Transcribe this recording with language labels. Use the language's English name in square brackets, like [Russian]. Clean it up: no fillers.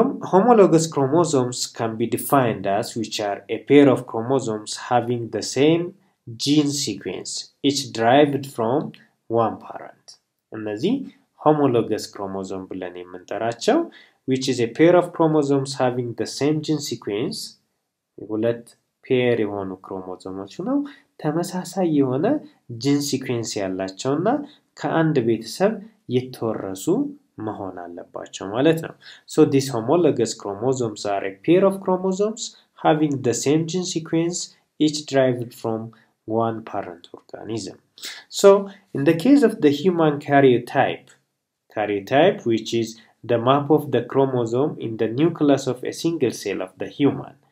[English] Homologous chromosomes can be defined as which are a pair of chromosomes having the same gene sequence. It's derived from one parent. [Amharic] እነዚህ homologous chromosome ብለን የምንጠራቸው, [English] which is a pair of chromosomes having the same gene sequence. [Amharic] ሁለት pair የሆኑ chromosomes ነው, ተመሳሳይ የሆነ gene sequence ያላቸውና ከአንድ ቤተሰብ የተወረሱ መሆን አለባቸው ማለት ነው. [English] So these homologous chromosomes are a pair of chromosomes having the same gene sequence, each derived from one parent organism. So in the case of the human karyotype, karyotype which is the map of the chromosome in the nucleus of a single cell of the human.